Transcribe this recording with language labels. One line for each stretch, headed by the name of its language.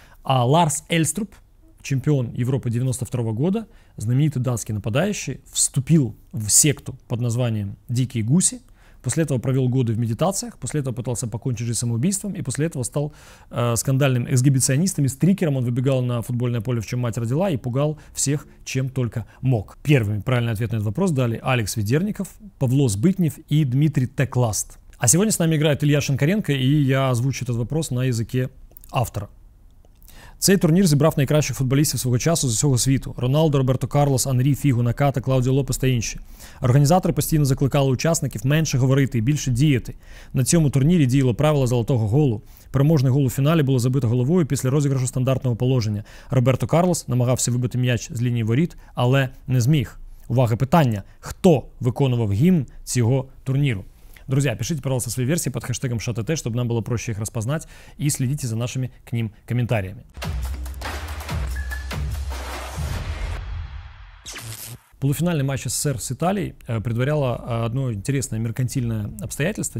Russian: А Ларс Эльструп, чемпион Европы 92 года, знаменитый датский нападающий, вступил в секту под названием «Дикие гуси», после этого провел годы в медитациях, после этого пытался покончить жизнь самоубийством, и после этого стал скандальным эксгибиционистом и стрикером. Он выбегал на футбольное поле, в чем мать родила, и пугал всех, чем только мог. Первыми правильный ответ на этот вопрос дали Алекс Ведерников, Павлос Бытнев и Дмитрий Текласт. А сегодня с нами играет Илья Шинкаренко, и я озвучу этот вопрос на языке автора.
Ukrainian: Цей турнір зібрав найкращих футболістів свого часу з усього світу. Роналдо, Роберто Карлос, Анрі, Фігу, Наката, Клаудіо Лопес та інші. Організатори постійно закликали учасників менше говорити і більше діяти. На цьому турнірі діяло правило золотого голу. Переможний гол у фіналі було забито головою після розіграшу стандартного положення. Роберто Карлос намагався вибити м'яч з лінії воріт, але не зміг. Увага, питання. Хто виконував гімн цього турніру?
Russian: Друзья, пишите, пожалуйста, свои версии под хэштегом ШАТТ, чтобы нам было проще их распознать, и следите за нашими к ним комментариями. Полуфинальный матч СССР с Италией предваряло одно интересное меркантильное обстоятельство.